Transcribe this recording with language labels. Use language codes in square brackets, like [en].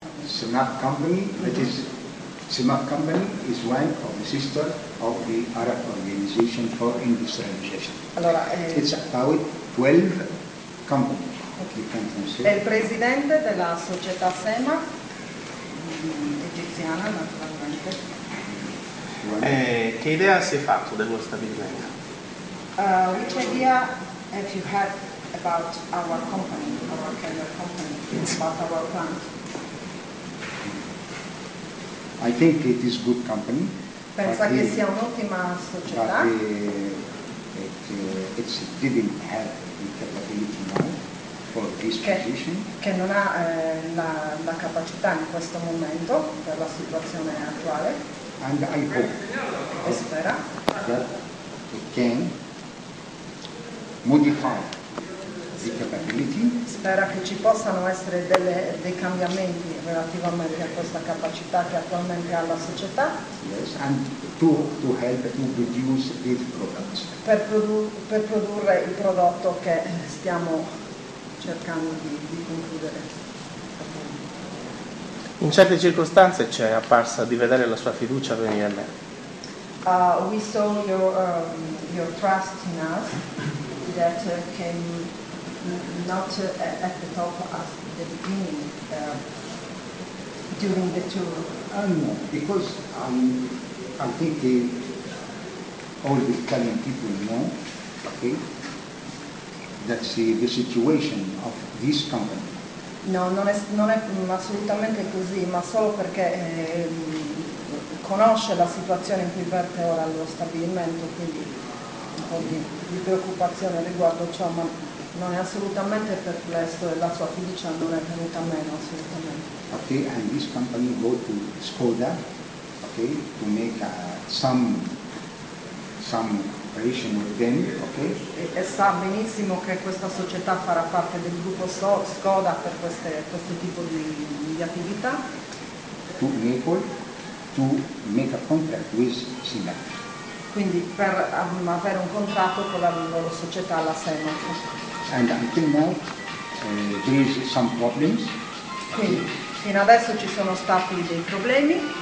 [en] Sumac Company, which is, Sumac Company is one of the sisters of the Arab Organization for Industrialization. [it] Allora, [en] it's about 12 companies. Okay. [it] È il presidente della società SEMA, egiziana naturalmente. Che idea si è fatto dello stabilimento? [en] Which idea have you had about our company, our carrier company, about our plant? I think it is good company. [it] Pensa che sia un'ottima società. [en] It didn't have the capability now for this position. [it] Che non ha la capacità in questo momento per la situazione attuale. [en] And I hope [it] e spera [en] that it can modify the capability. [it] Spera che ci possano essere dei cambiamenti relativamente a questa capacità che attualmente ha la società. [en] Yes, and to help to produce these products. [it] Per produrre il prodotto che stiamo cercando di concludere. In certe circostanze ci è apparsa di vedere la sua fiducia venire a me. [en] We saw your trust in us that came not at the top at the beginning during the tour. No, because I think all the Italian people know, okay, that the situation of this company. [it] No, non è assolutamente così, ma solo perché conosce la situazione in cui verte ora lo stabilimento, quindi un po' di preoccupazione riguardo ciò, ma non è assolutamente perplesso e la sua fiducia non è venuta meno assolutamente. [en] Ok, and this company go to Skoda, okay, to make some operation with them, okay? [it] E sa benissimo che questa società farà parte del gruppo Skoda per questo tipo di attività. [en] To Naples, to make a contract with Sinac. [it] Quindi per avere un contratto con la loro società, la SEMA. [en] And until now, there is some problems. [it] Quindi, fino adesso ci sono stati dei problemi.